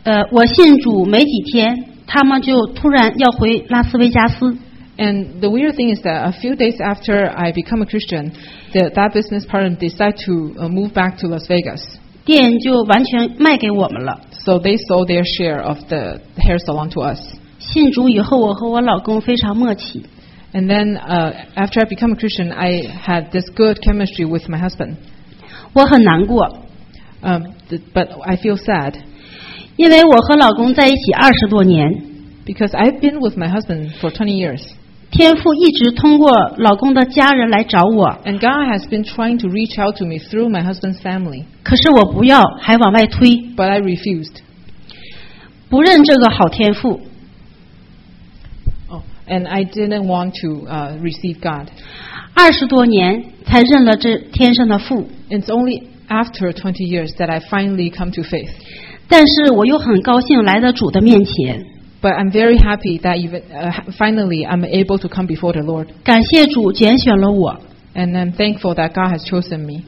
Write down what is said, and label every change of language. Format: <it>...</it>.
<zh>我信主没几天，他们就突然要回拉斯维加斯。</zh> <en>And the weird thing is that a few days after I become a Christian, that business partner decided to move back to Las Vegas.</en> <zh>店就完全卖给我们了。</zh> <en>So they sold their share of the hair salon to us.</en> <zh>信主以后，我和我老公非常默契。</zh> <en>And then, after I become a Christian, I had this good chemistry with my husband.</en> <zh>我很难过。</zh> <en>But I feel sad.</en> <zh>因为我和老公在一起二十多年。</zh> <en>Because I've been with my husband for 20 years.</en> <zh>天父一直通过老公的家人来找我。</zh> <en>And God has been trying to reach out to me through my husband's family.</en> <zh>可是我不要，还往外推。</zh> <en>But I refused.</en> <zh>不认这个好天父。</zh> <en>Oh, and I didn't want to receive God.</en> <zh>二十多年才认了这天上的父。</zh> <en>It's only after 20 years that I finally come to faith.</en> <zh>但是我又很高兴来到主的面前。</zh> <en>But I'm very happy that finally I'm able to come before the Lord.</en> <zh>感谢主拣选了我。</zh> <en>And I'm thankful that God has chosen me.</en>